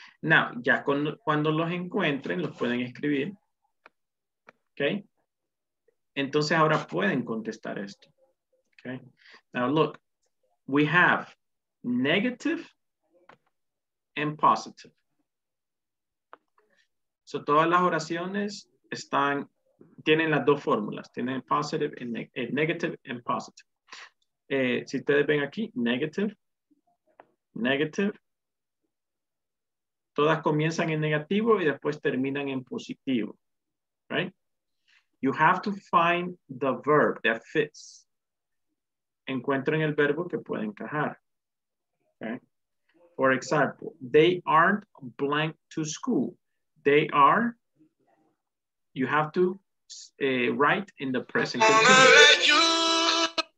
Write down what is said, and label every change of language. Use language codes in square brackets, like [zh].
[es] Now, ya cuando los encuentren, los pueden escribir, okay? Entonces, ahora pueden contestar esto. [en] Okay, now look, we have negative and positive. [es] So todas las oraciones tienen las dos fórmulas, tienen [en] positive and negative and positive. [es] Si ustedes ven aquí, negative, todas comienzan en negativo y después terminan en positivo, right? [en] You have to find the verb that fits. [es] Encuentren el verbo que puede encajar. [en] Okay. For example, they aren't blank to school. They are, you have to write in the present continuous.